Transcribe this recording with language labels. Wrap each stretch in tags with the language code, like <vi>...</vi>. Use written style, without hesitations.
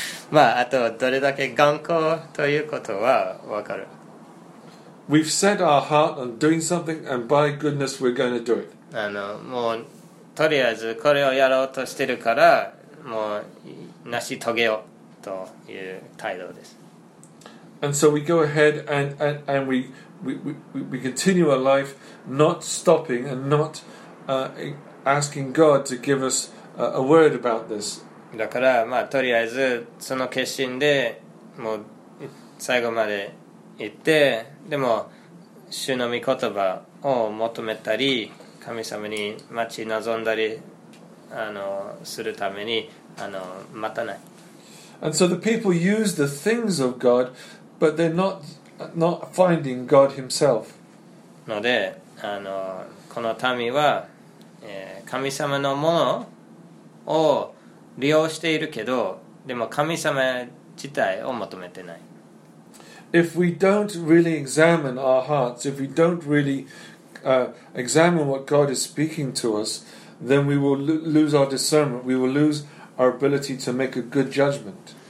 <ja>まああとどれだけ頑固ということはわかる。</ja> <en>We've set our heart on doing something, and by goodness, we're going to do it.</en> <ja>あの、もう、とりあえずこれをやろうとしてるから、もう、成し遂げようという態度です。</ja> <en>And so we go ahead and we continue our life, not stopping and not asking God to give us a word about this.</en> <ja>だから、まあ、とりあえずその決心で、もう最後まで行って、でも主の御言葉を求めたり、神様に待ち望んだりあのするためにあの待たない。</ja> <en>And so the people use the things of God. But they're not finding God Himself.</en> <ja>ので、あの、この民は、神様のものを利用しているけど、でも神様自体を求めてない。</ja> <en>If we don't really examine our hearts, if we don't really examine what God is speaking to us, then we will lose our discernment. We will lose our ability to make a good judgment.</en>